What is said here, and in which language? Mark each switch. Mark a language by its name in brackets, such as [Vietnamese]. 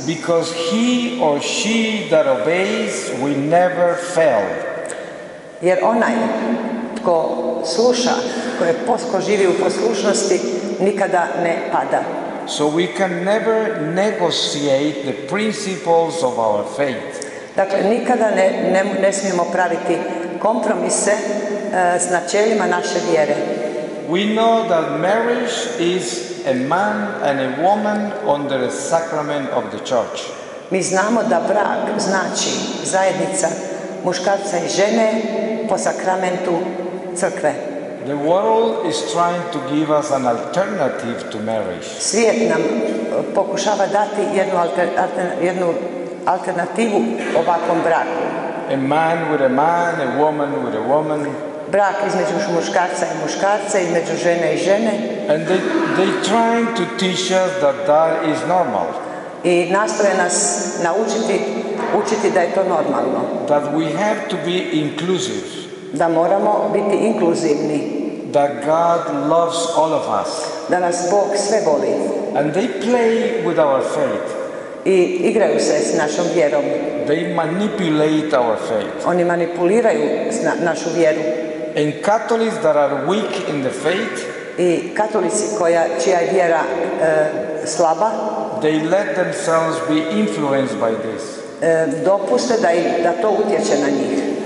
[English] Because he or she that obeys will never fail. [Croatian] Jer onaj tko sluša, koje posko živi u poslušnosti, nikada ne pada. [English] So we can never negotiate the principles of our faith. [Croatian] Dakle, nikada ne smijemo praviti kompromise s načelima naše vjere. [English] We know that marriage is a man and a woman under the sacrament of the church. [Croatian] Mi znamo da brak znači zajednica muškarca i žene po sakramentu crkve. [English] The world is trying to give us an alternative to marriage. [Croatian] Svijet nam pokušava dati jednu alternativu ovakvom braku. [English] A man with a man, a woman with a woman. [Croatian] Brak između muškarca i muškarca, između žene i žene. [English] And they trying to teach us that is normal. [Croatian] I nastoje nas učiti da je to normalno. [English] That we have to be inclusive. [Croatian] Da moramo biti inkluzivni. [English] That God loves all of us. [Croatian] Da nas Bog sve voli. [English] And they play with our faith. [Croatian] I igraju se s našom vjerom. [English] They manipulate our faith. [Croatian] Oni manipuliraju našu vjeru. [English] And Catholics that are weak in the faith. [Croatian] I katolici čija je vjera slaba. [English] They let themselves be influenced by this. [Croatian] Dopuste da to utječe na njih.